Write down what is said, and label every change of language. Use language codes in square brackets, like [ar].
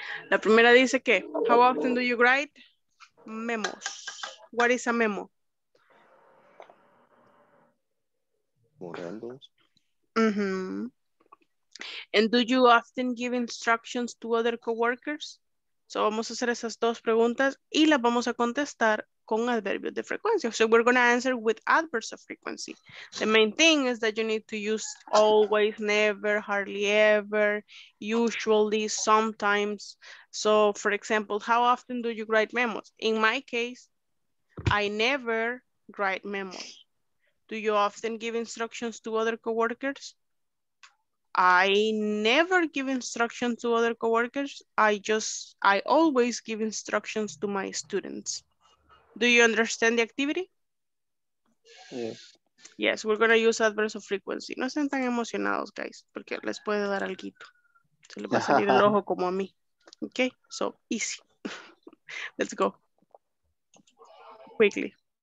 [es] La primera dice que, [en] how often do you write memos? What is a memo? Mm-hmm. And do you often give instructions to other coworkers? So [es] vamos a hacer esas dos preguntas y las vamos a contestar con adverbios de frecuencia. [en] So we're going to answer with adverbs of frequency. The main thing is that you need to use always, never, hardly ever, usually, sometimes. So for example, how often do you write memos? In my case, I never write memos. Do you often give instructions to other coworkers? I never give instructions to other coworkers. I always give instructions to my students. Do you understand the activity? Yes. Yes, we're going to use adverbs of frequency. [es] No estén tan emocionados, [en] guys, [es] porque les puede dar alguito. Se le va a salir el ojo como a mí. [en] Okay, so easy. Let's go. Quickly.